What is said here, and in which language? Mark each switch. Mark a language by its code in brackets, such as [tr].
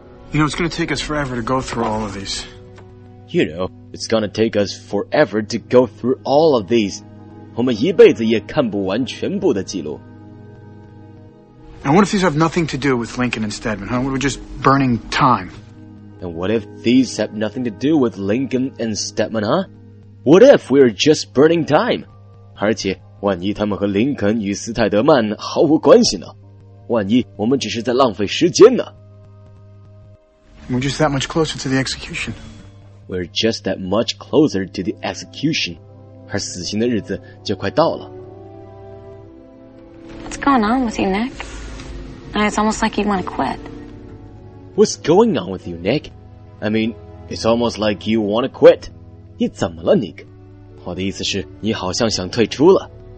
[en] You know, it's going to take us forever to go through all of these. You know, it's going to take us forever to go through all of these. [zh] 我们一辈子也看不完全部的记录。 [en] And what if these have nothing to do with Lincoln and Stedman, huh? We're just burning time. And what if these have nothing to do with Lincoln and Stedman, huh? What if we're just burning time? [zh] 而且万一他们和林肯与斯泰德曼毫无关系呢？万一我们只是在浪费时间呢？ [en] We're just that much closer to the execution. We're just that much closer to the execution. [zh] 而死刑的日子就快到了。 [en] What's going on with you, Nick? It's almost like you want to quit. What's going on with you, Nick? It's almost like you want to quit. [zh] 你怎么了 ,Nick? 我的意思是你好像想退出了。